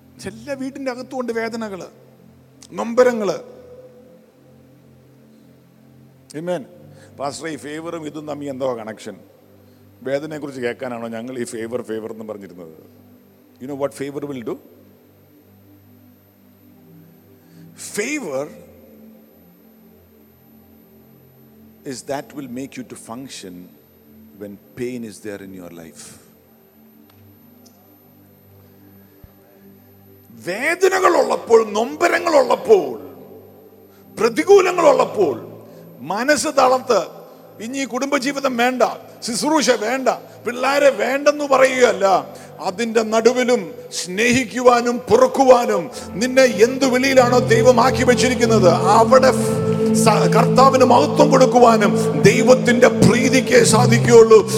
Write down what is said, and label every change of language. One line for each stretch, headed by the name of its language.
Malayalam: എല്ലാ വീടിന്റെ അകത്തും ഉണ്ട് വേദനകള്, നൊമ്പരങ്ങള്. ആമേൻ. പാസ്റ്റർ, ഈ ഫേവറും ഇതും തമ്മിൽ എന്തോ കണക്ഷൻ. വേദനയെ കുറിച്ച് കേൾക്കാനാണോ ഞങ്ങൾ ഈ ഫേവർ ഫേവർ എന്ന് പറഞ്ഞിരുന്നത്?
English: You know what favor will do? Favor is that will make you to function when pain is there in your life.
Malayalam: വേദനകൾ ഉള്ളപ്പോൾ, നൊമ്പരങ്ങൾ ഉള്ളപ്പോൾ, പ്രതികൂലങ്ങൾ ഉള്ളപ്പോൾ മനസ്സ് തളർത്ത് ഇനി കുടുംബജീവിതം വേണ്ട, ശുശ്രൂഷ വേണ്ട, പിള്ളേരെ വേണ്ടെന്ന് പറയുകയല്ല, അതിൻ്റെ നടുവിലും സ്നേഹിക്കുവാനും പൊറുക്കുവാനും നിന്നെ എന്ത് വിളിയിലാണോ ദൈവം ആക്കി വെച്ചിരിക്കുന്നത് അവിടെ കർത്താവിന് മഹത്വം കൊടുക്കുവാനും ദൈവത്തിന്റെ പ്രീതിക്കേ സാധിക്കുകയുള്ളൂ.